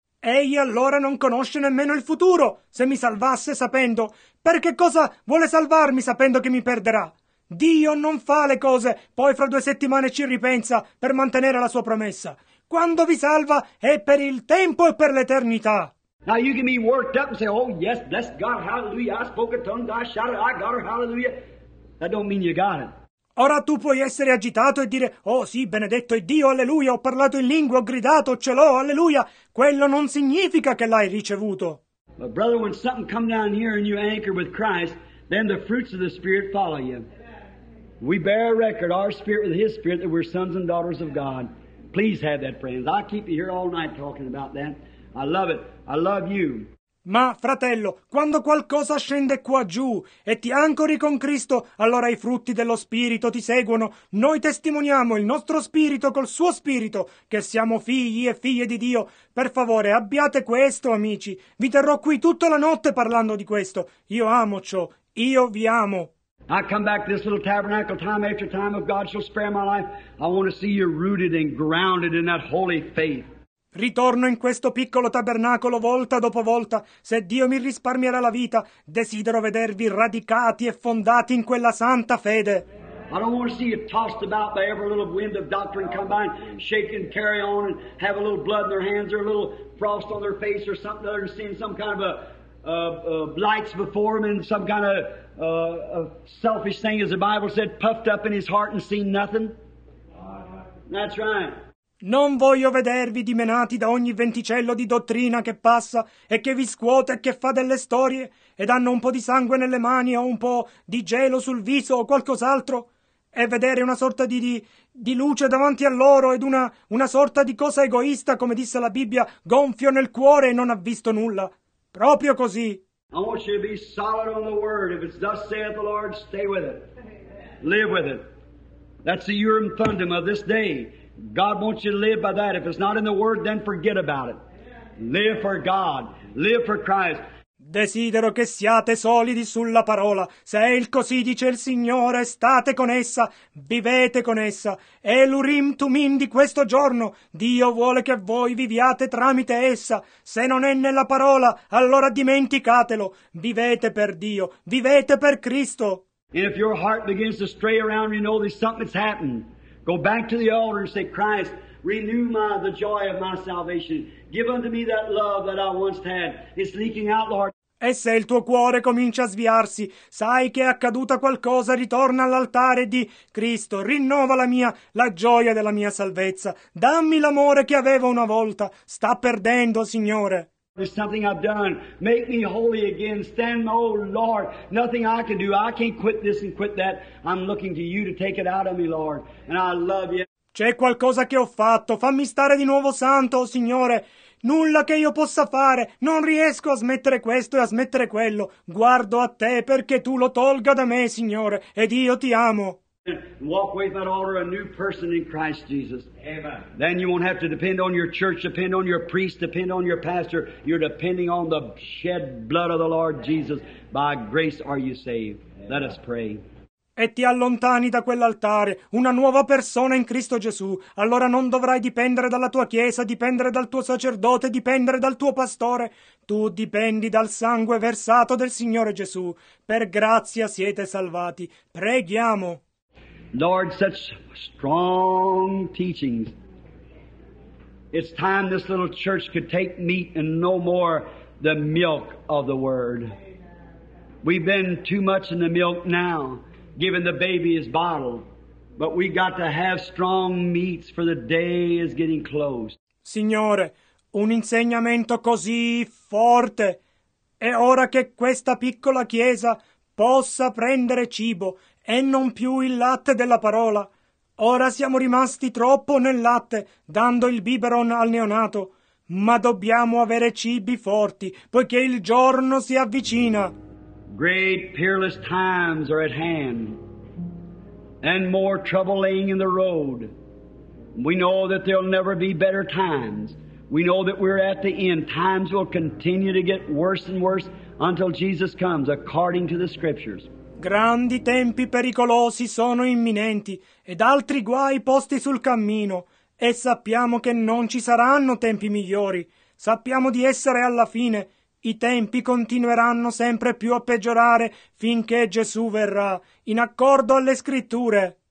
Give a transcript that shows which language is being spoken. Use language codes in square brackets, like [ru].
[it] Egli allora non conosce nemmeno il futuro, se mi salvasse sapendo. Per che cosa vuole salvarmi sapendo che mi perderà? Dio non fa le cose, poi fra 2 settimane ci ripensa per mantenere la sua promessa. quando vi salva è per il tempo e per l'eternità. [en] Now you can be worked up and say, oh yes, bless God, hallelujah, I spoke a tongue, I shouted, I got her, hallelujah. That don't mean you got it. [it] Ora tu puoi essere agitato e dire, oh sì, benedetto è Dio, alleluia, ho parlato in lingua, ho gridato, ce l'ho, alleluia. Quello non significa che l'hai ricevuto. [en] But brother, when something come down here and you anchor with Christ, then the fruits of the Spirit follow you. We bear a record, our spirit with His spirit, that we're sons and daughters of God. Please have that, friends. I keep you here all night talking about that. I love it. I love you. [it] Ma, fratello, quando qualcosa scende qua giù e ti ancori con Cristo, allora i frutti dello Spirito ti seguono. Noi testimoniamo il nostro Spirito col suo Spirito, che siamo figli e figlie di Dio. Per favore, abbiate questo, amici. Vi terrò qui tutta la notte parlando di questo. Io amo ciò. Io vi amo. [en] I come back to this little tabernacle time after time, if God shall spare my life. I want to see you rooted and grounded in that holy faith. [it] Ritorno in questo piccolo tabernacolo volta dopo volta. Se Dio mi risparmierà la vita, desidero vedervi radicati e fondati in quella santa fede. [en] I don't want to see you tossed about by every little wind of doctrine come by and shake and carry on and have a little blood in their hands or a little frost on their face or something other than seeing some kind of lights before them and some kind of selfish thing, as the Bible said, puffed up in his heart and seen nothing. That's right. [it] Non voglio vedervi dimenati da ogni venticello di dottrina che passa e che vi scuote e che fa delle storie ed hanno un po' di sangue nelle mani o un po' di gelo sul viso o qualcos'altro e vedere una sorta di luce davanti a loro ed una sorta di cosa egoista, come disse la Bibbia, gonfio nel cuore e non ha visto nulla. Proprio così. [en] I want you to be solid on the word. If it's thus saith the Lord, stay with it. Live with it. That's the Urim Thummim of this day. God wants you to live by that. If it's not in the Word, then forget about it. Live for God. Live for Christ. [it] Desidero che siate solidi sulla parola. Se è il così, dice il Signore, state con essa, vivete con essa. È l'Urim Tumim di questo giorno. Dio vuole che voi viviate tramite essa. Se non è nella parola, allora dimenticatelo. Vivete per Dio. Vivete per Cristo. [en] And if your heart begins to stray around, you know that something's happened. Go back to the altar and say, Christ, renew the joy of my salvation. Give unto me that love that I once had. It's leaking out, Lord. [it] E se il tuo cuore comincia a sviarsi, sai che è accaduta qualcosa, ritorna all'altare di Cristo, rinnova la gioia della mia salvezza. Dammi l'amore che avevo una volta. Sta perdendo, Signore. [en] There's something I've done. Make me holy again. Stand, oh Lord. Nothing I can do. I can't quit this and quit that. I'm looking to you to take it out of me, Lord. And I love you. [it] C'è qualcosa che ho fatto. Fammi stare di nuovo santo, oh Signore. Nulla che io possa fare. Non riesco a smettere questo e a smettere quello. Guardo a te perché tu lo tolga da me, Signore. Ed io ti amo. [en] Walk away from that altar a new person in Christ Jesus. Amen. Then you won't have to depend on your church, depend on your priest, depend on your pastor. You're depending on the shed blood of the Lord Jesus. By grace are you saved. Amen. Let us pray. [it] E ti allontani da quell'altare, una nuova persona in Cristo Gesù. Allora non dovrai dipendere dalla tua chiesa, dipendere dal tuo sacerdote, dipendere dal tuo pastore. Tu dipendi dal sangue versato del Signore Gesù. Per grazia siete salvati. Preghiamo. [en] Lord, such strong teachings. It's time this little church could take meat and no more the milk of the Word. We've been too much in the milk now, giving the baby his bottle. But we got to have strong meats, for the day is getting close. [it] Signore, un insegnamento così forte. È ora che questa piccola chiesa possa prendere cibo. E non più il latte della parola. Ora siamo rimasti troppo nel latte, dando il biberon al neonato. Ma dobbiamo avere cibi forti, poiché il giorno si avvicina. [en] Great perilous times are at hand, and more trouble laying in the road. We know that there'll never be better times. We know that we're at the end. Times will continue to get worse and worse until Jesus comes, according to the scriptures. [it] Grandi tempi pericolosi sono imminenti ed altri guai posti sul cammino e sappiamo che non ci saranno tempi migliori. Sappiamo di essere alla fine. I tempi continueranno sempre più a peggiorare finché Gesù verrà, in accordo alle scritture.